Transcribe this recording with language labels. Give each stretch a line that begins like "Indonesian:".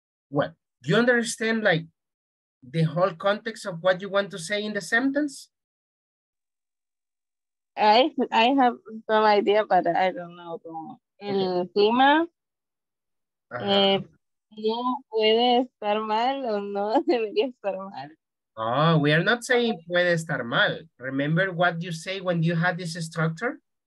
English: What? Do you understand, like, the whole context of what you want to say in the sentence? I have some idea, but I don't know.
Spanish: El clima, no puede estar mal o no debería estar mal.
English: Oh, we are not saying
Spanish: puede estar mal.
English: Remember what you say when you had this structure?